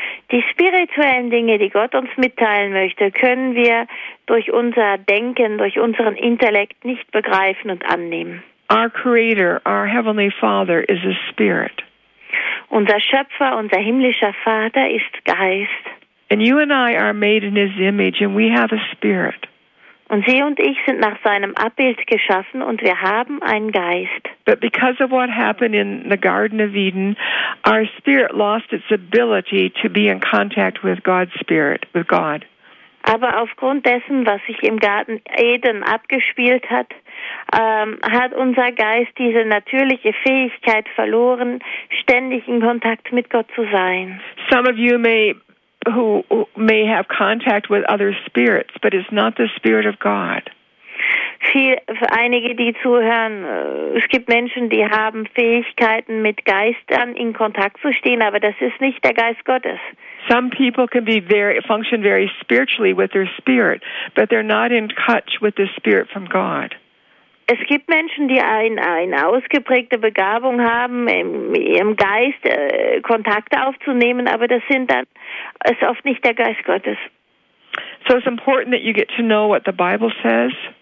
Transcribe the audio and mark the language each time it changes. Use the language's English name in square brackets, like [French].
[German] Die spirituellen Dinge, die Gott uns mitteilen möchte, können wir durch unser Denken, durch unseren Intellekt nicht begreifen und annehmen. [English] Our Creator, our Heavenly Father, is a Spirit. [German] Unser Schöpfer, unser himmlischer Vater ist Geist. [English] And you and I are made in His image, and we have a Spirit. [German] Und Sie und ich sind nach seinem Abbild geschaffen und wir haben einen Geist. [English] But because of what happened in the Garden of Eden, our spirit lost its ability to be in contact with God's spirit, with God. [German] Aber aufgrund dessen, was sich im Garten Eden abgespielt hat, hat unser Geist diese natürliche Fähigkeit verloren, ständig in Kontakt mit Gott zu sein. [English] Some of you who may have contact with other spirits, but it's not the Spirit of God. [German] Für einige, die zuhören, es gibt Menschen, die haben Fähigkeiten, mit Geistern in Kontakt zu stehen, aber das ist nicht der Geist Gottes. [English] Some people can function very spiritually with their spirit, but they're not in touch with the Spirit from God. [German] Es gibt Menschen, die eine ausgeprägte Begabung haben, im Geist Kontakte aufzunehmen, aber das sind dann ist oft nicht der Geist Gottes. [English] So it's important that you get to know what the Bible says.